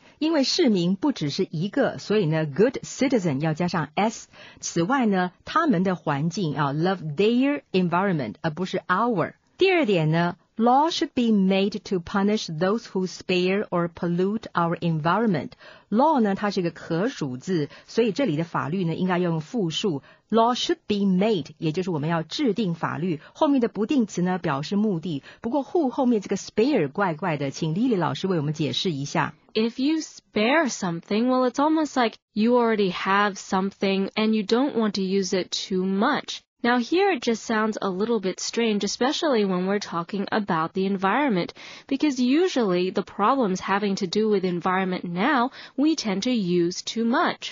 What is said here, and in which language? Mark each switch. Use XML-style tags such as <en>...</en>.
<zh>因为市民不只是一个，所以呢 good citizen 要加上 s。此外呢他们的环境啊</zh> <en>love their environment</en> <zh>而不是 our。第二点呢，</zh> <en>Law should be made to punish those who spare or pollute our environment.</en> <zh>Law 呢，它是一个可数字，所以这里的法律呢，应该用复数。</zh> <en>Law should be made，</en> <zh>也就是我们要制定法律。后面的不定词呢，表示目的。不过 who 后面这个 spare 怪怪的，请 Lily 老师为我们解释一下。</zh> <en>If you spare something, well, it's almost like you already have something and you don't want to use it too much. Now here it just sounds a little bit strange, especially when we're talking about the environment, because usually the problems having to do with environment now, we tend to use too much.</en>